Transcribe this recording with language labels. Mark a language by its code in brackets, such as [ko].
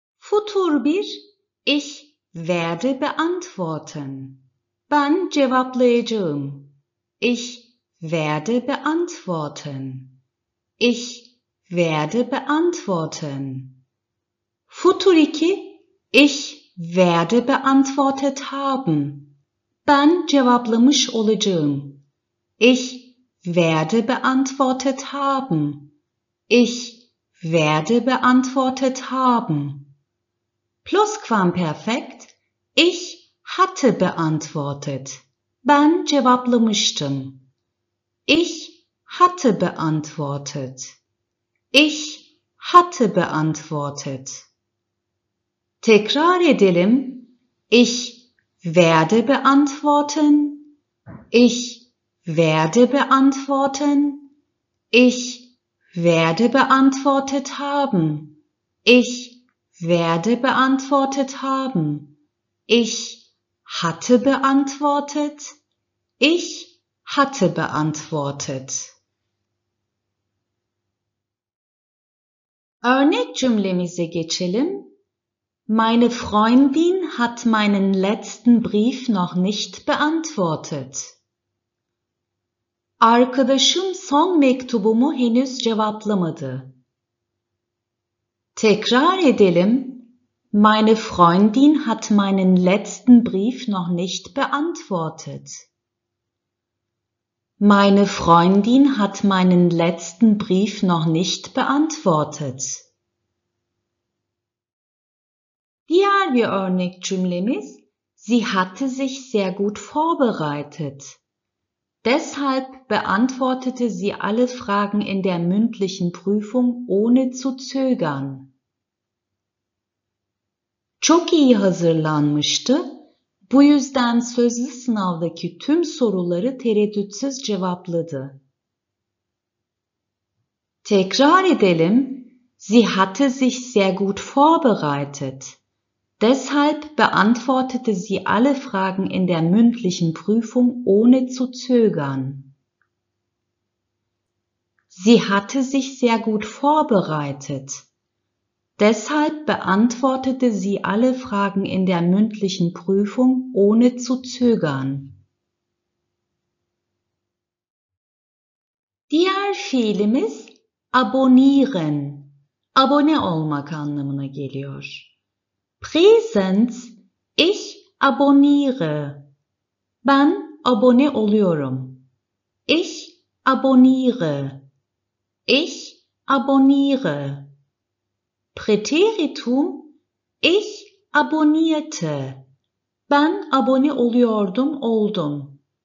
[de] Futur 1, ich werde beantworten. [tr] Ben cevaplayacağım. [de] Ich werde beantworten. Ich werde beantworten. Futur 2, ich werde beantwortet haben. [tr] Ben cevaplamış olacağım. [de] Ich werde beantwortet haben. Ich werde beantwortet haben. Plusquamperfekt, ich hatte beantwortet. [tr] Ben cevaplamıştım. [de] Ich hatte beantwortet. Ich hatte beantwortet. [tr] Tekrar edelim. [de] Ich werde beantworten. Ich werde beantworten. Ich werde beantwortet haben. Ich werde beantwortet haben. Ich hatte beantwortet. Ich hatte beantwortet. [tr] Örnek cümlemize geçelim. [de] Meine Freundin hat meinen letzten Brief noch nicht beantwortet. [tr] Arkadaşım son mektubumu henüz cevaplamadı. Tekrar edelim. [de] Meine Freundin hat meinen letzten Brief noch nicht beantwortet. Meine Freundin hat meinen letzten Brief noch nicht beantwortet. [tr] Diğer bir örnek cümlemiz, [de] sie hatte sich sehr gut vorbereitet. Deshalb beantwortete sie alle Fragen in der mündlichen Prüfung ohne zu zögern. Çok iyi hazırlanmıştı. Bu yüzden sözlü sınavdaki tüm soruları tereddütsüz cevapladı. Tekrar edelim. Sie hatte sich sehr gut vorbereitet. Deshalb beantwortete sie alle Fragen in der mündlichen Prüfung ohne zu zögern. Sie hatte sich sehr gut vorbereitet. Deshalb beantwortete sie alle Fragen in der mündlichen Prüfung ohne zu zögern. [tr] Diğer fiilimiz abonnieren, abone olmak anlamına geliyor. [de] Präsens, ich abonniere. [tr] Ben abone oluyorum. [de] Ich abonniere. Ich abonniere. Präteritum, ich abonnierte. [tr] Ben abone oluyordum, oldum.